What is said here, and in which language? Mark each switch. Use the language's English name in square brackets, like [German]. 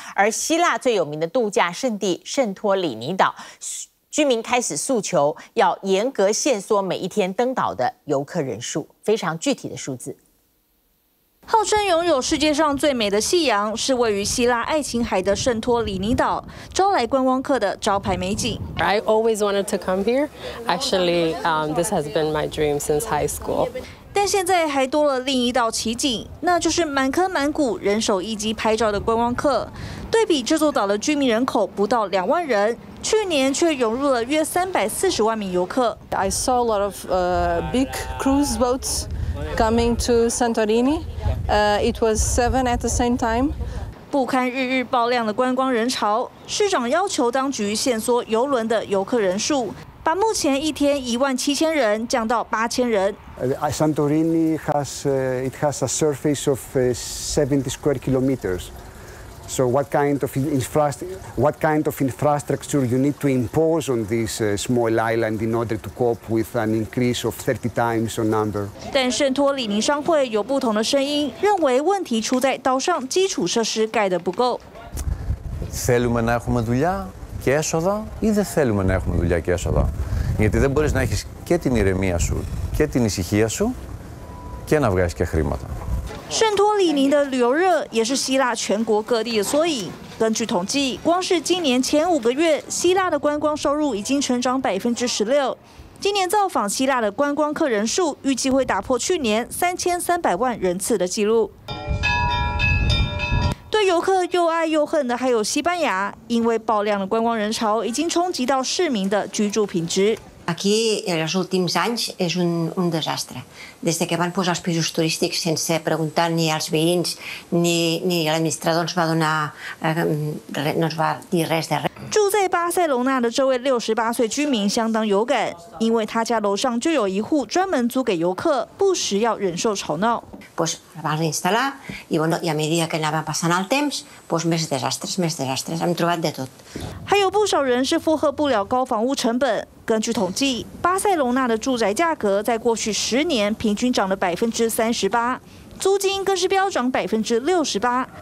[Chinese] 而希腊最有名的度假胜地圣托里尼岛，居民开始诉求要严格限缩每一天登岛的游客人数，非常具体的数字。号称拥有世界上最美的夕阳，是位于希腊爱琴海的圣托里尼岛，招来观光客的招牌美景。 [English] I always wanted to come here. Actually, this has been my dream since high school. [Chinese] 但现在还多了另一道奇景，那就是满坑满谷、人手一机拍照的观光客。对比这座岛的居民人口不到两万人，去年却涌入了约340万名游客。 [English] I saw a lot of big cruise boats. Coming to Santorini, it was 7 at the same time. [Chinese] 不堪日日爆量的观光人潮，市长要求当局限缩游轮的游客人数，把目前一天17,000人降到8,000人。 [English] Santorini has it has a surface of 70 square kilometers. So what kind of infrastructure you need to impose on this small island in order to cope with an increase of 30 times on number? [Chinese] 但圣托里尼商会有不同的声音，认为问题出在岛上基础设施盖得不够。 [Greek] Θέλουμε να έχουμε δουλειά και έσοδα ή δεν θέλουμε να έχουμε δουλειά και έσοδα? Γιατί δεν μπορείς να έχεις και την ηρεμία σου και την ησυχία σου και να βγάζεις και χρήματα. [Chinese] 圣托里尼的旅游热也是希腊全国各地的缩影。根据统计，光是今年前五个月，希腊的观光收入已经成长16%。今年造访希腊的观光客人数预计会打破去年3300万人次的纪录。对游客又爱又恨的还有西班牙，因为爆量的观光人潮已经冲击到市民的居住品质。 [Spanish] Aquí en los últimos años es un desastre. [Catalan] Desde que van posar els pisos turístics sense preguntar ni als veïns ni l'administrador ens va donar no ens va dir res de res. [Chinese] 住在巴塞隆纳的这位68岁居民相当有感，因为他家楼上就有一户专门租给游客，不时要忍受吵闹。 [Spanish] Pues vamos a instalar y bueno y a medida que andaba pasando el temps, pues [Catalan] més desastres, hem trobat de tot. [Chinese] 还有不少人是负荷不了高房屋成本。根据统计，巴塞隆纳的住宅价格在过去10年平均涨了38%，租金更是飙涨68%。